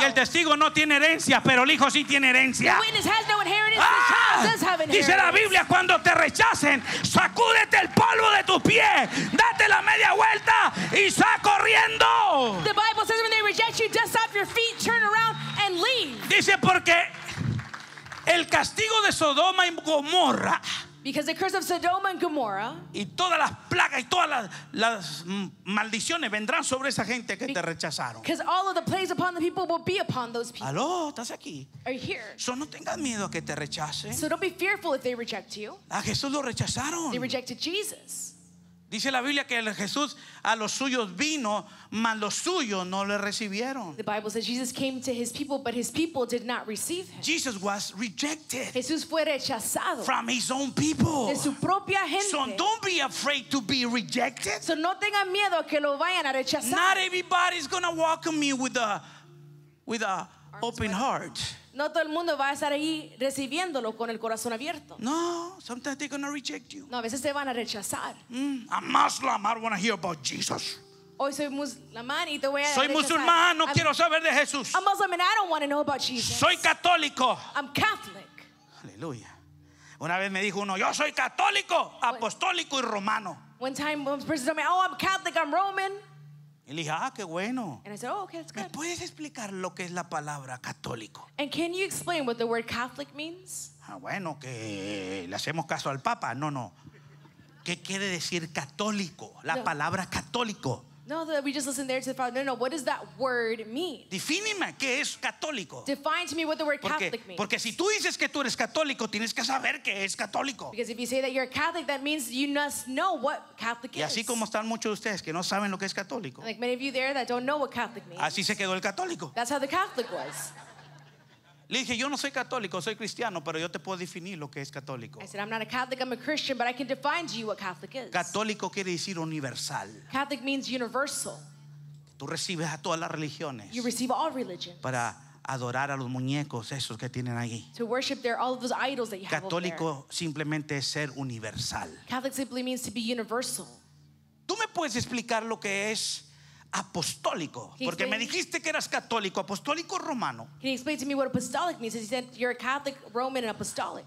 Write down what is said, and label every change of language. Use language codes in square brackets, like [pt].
[es] Y el testigo no tiene herencia, pero el hijo sí tiene herencia. [en] The witness has no inheritance, but the child does have inheritance. [es] Dice la Biblia, cuando te rechacen, sacúdete el polvo de tus pies, date la media vuelta y sal corriendo. [en] The Bible says when they reject you, dust off your feet, turn around and leave. [es] Dice porque el castigo de Sodoma y Gomorra. [en] Because the curse of Sodoma and Gomorrah [es] y todas las plagas y todas las maldiciones vendrán sobre esa gente que te rechazaron. [en] Because all of the plagues upon the people will be upon those people. [es] Aló, ¿estás aquí? [en] Are you here? [es] So no tengas miedo a que te rechacen. [en] So don't be fearful if they reject you. [es] A Jesús lo rechazaron. [en] They rejected Jesus. [es] Dice la Biblia que Jesús a los suyos vino, mas los suyos no le recibieron. [en] The Bible says Jesus came to his people, but his people did not receive him. Jesus was rejected. [es] Jesús fue rechazado. [en] From his own people. [es] De su propia gente. [en] So don't be afraid to be rejected. [es] So no tengan miedo a que lo vayan a rechazar. [en] Not everybody's gonna welcome me with a arms open wide. Heart. [es] No todo el mundo va a estar ahí recibiéndolo con el corazón abierto. [en] No, sometimes they're gonna reject you. [es] No, a veces te van a rechazar. [en] I'm Muslim, I don't want to hear about Jesus. [es] Hoy soy musulmán y te voy a soy musulmán, no quiero saber de Jesús. [en] I'm Muslim and I don't want to know about Jesus. [es] Soy católico. [en] I'm Catholic. [es] Aleluya. Una vez me dijo uno, yo soy católico, apostólico y romano. [en] One time one person told me, oh, I'm Catholic, I'm Roman. [es] Y le dije, ah, qué bueno. [en] And I said, oh, okay, that's good. [es] ¿Me puedes explicar lo que es la palabra católico? [en] And can you explain what the word Catholic means? [es] Ah, bueno, que le hacemos caso al Papa. No, no. ¿Qué quiere decir católico? La no. Palabra católico. [en] No, that we just listened there to the Father. No, no, what does that word mean? [es] Defíneme qué es católico. [en] Define to me what the word Catholic [es] porque, [en] means. [es] Porque si tú dices que tú eres católico, tienes que saber qué es católico. [en] Because if you say that you're Catholic, that means you must know what Catholic is. [es] Y así como están muchos de ustedes que no saben lo que es católico. [en] Like many of you there that don't know what Catholic means. [es] Así se quedó el católico. [en] That's how the Catholic was. [es] Le dije, yo no soy católico, soy cristiano, pero yo te puedo definir lo que es católico. [en] I said, I'm not a Catholic, I'm a Christian, but I can define to you what Catholic is. [es] Católico quiere decir universal. [en] Catholic means universal. [es] Tú recibes a todas las religiones. [en] You receive all religions. [es] Para adorar a los muñecos esos que tienen ahí. [en] To worship there, all of those idols that you [es] católico [en] have over there. [es] Simplemente es ser universal. [en] Catholic simply means to be universal. [es] Tú me puedes explicar lo que es apostólico, porque me dijiste que eras católico, apostólico romano. [en] Can you explain to me what apostolic means? He said you're a Catholic, Roman, and apostolic.